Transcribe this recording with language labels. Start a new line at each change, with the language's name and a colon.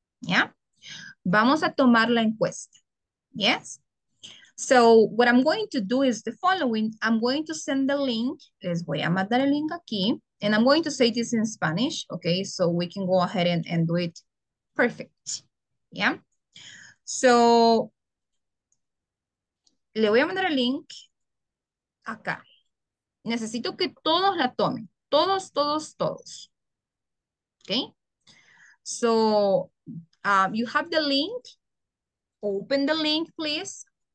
English: Yeah,
Spanish: vamos a tomar la encuesta.
English: Yes, so what I'm going to do is the following. I'm going to send the link.
Spanish: Les voy a mandar el link aquí,
English: and I'm going to say this in Spanish. Okay, so we can go ahead and do it perfect. Yeah, so
Spanish: le voy a mandar el link acá. Necesito que todos la tomen. Todos, todos, todos.
English: Okay, so you have the link, open the link, please.